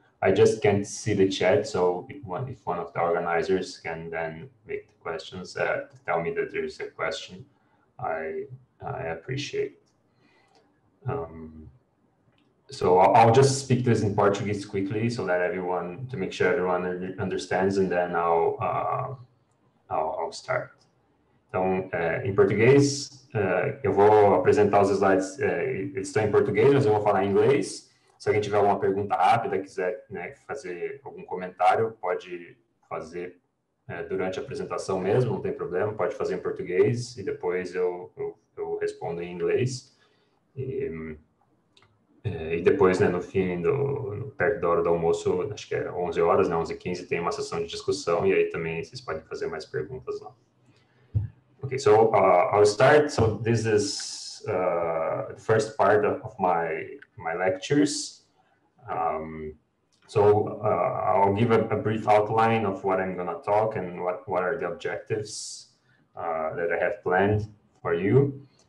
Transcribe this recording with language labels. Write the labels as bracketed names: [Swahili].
[English] I just can't see the chat, so if one of the organizers can then make the questions, tell me that there is a question, I appreciate. So I'll just speak this in Portuguese quickly, so that everyone, to make sure everyone understands, and then I'll start. [Portuguese] Então, em português, eu vou apresentar os slides, estão em português, mas eu vou falar em inglês. Se alguém tiver alguma pergunta rápida, quiser fazer algum comentário, pode fazer durante a apresentação mesmo, não tem problema, pode fazer em português e depois eu respondo em inglês. E depois, no fim, perto da hora do almoço, acho que é 11 horas, 11:15, tem uma sessão de discussão e aí também vocês podem fazer mais perguntas lá. [English] Ok, so I'll start. So this is the first part of my lectures. I'll give a brief outline of what I'm going to talk and what are the objectives that I have planned for you.